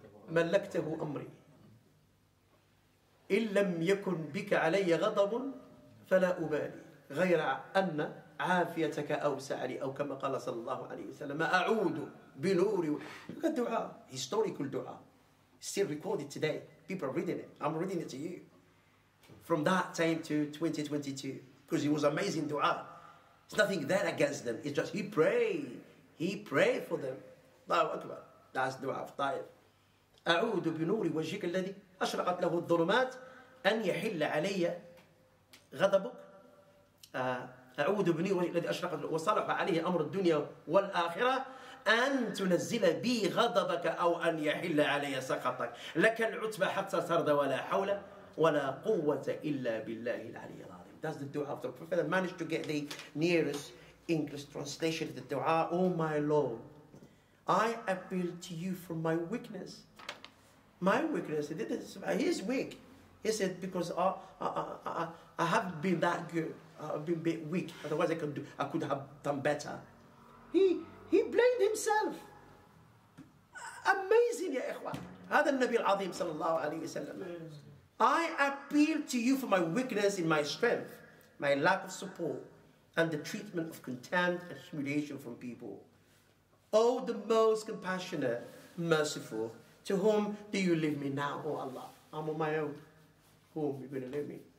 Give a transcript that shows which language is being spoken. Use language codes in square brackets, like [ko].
[ar] ملكته أمري إن لم يكن بك علي غضب فلا أبالي غير أن عافيتك أوسع لي أو كما قال صلى الله عليه وسلم أعود بنور الدعاء [en] historical [ar] دعاء [en] still recorded today. People are reading it. I'm reading it to you. From that time to 2022. Because it was amazing dua. It's nothing there against them. It's just he prayed for them. [ar] Allahu Akbar. [en] That's dua of Taif. [ar] A'udu bi nuri wajhika alladhi ashraqat lahu adh-dhulumat an yahilla alayya ghadabuk. A'udu bi nuri alladhi ashraqat wa salaha alayhi amr ad-dunya wal akhirah. أن تنزل بي غضبك أو أن يحل علي سخطك لك العتبة حتى ترضى ولا حول ولا قوة إلا بالله العلي العظيم. [en] That's the dua of the Prophet. I managed to get the nearest English translation of the dua. Oh my Lord, I appeal to you for my weakness. My weakness. He's weak. He said because I haven't been that good. I've been a bit weak. Otherwise, I could have done better. He blamed himself. Amazing, ya ikhwan. [ar] هذا النبي العظيم صلى الله عليه وسلم. [en] I appeal to you for my weakness in my strength, my lack of support, and the treatment of contempt and humiliation from people. Oh, the most compassionate, merciful, to whom do you leave me now, oh Allah? I'm on my own. Whom are you going to leave me?